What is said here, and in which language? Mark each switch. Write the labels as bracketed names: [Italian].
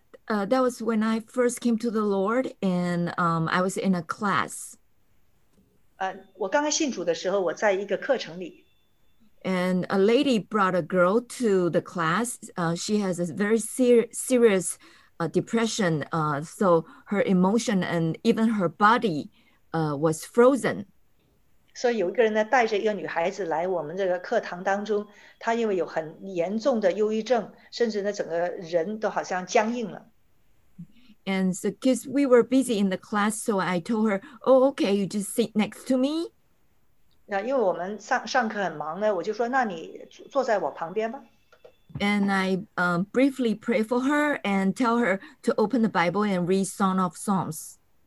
[English] That was when I first came to the Lord, and I was in a class. [Chinese] 我刚刚信主的时候，我在一个课程里。 [English] And a lady brought a girl to the class. She has a very serious depression. So her emotion and even her body was frozen. [Chinese] 所以有一个人呢，带着一个女孩子来我们这个课堂当中，她因为有很严重的忧郁症，甚至呢，整个人都好像僵硬了。 [English] And so, because we were busy in the class, so I told her, "Oh, okay, you just sit next to me." [Chinese] 那因为我们上课很忙呢，我就说，那你坐在我旁边吧。 [English] And I briefly pray for her and tell her to open the Bible and read Song of Songs.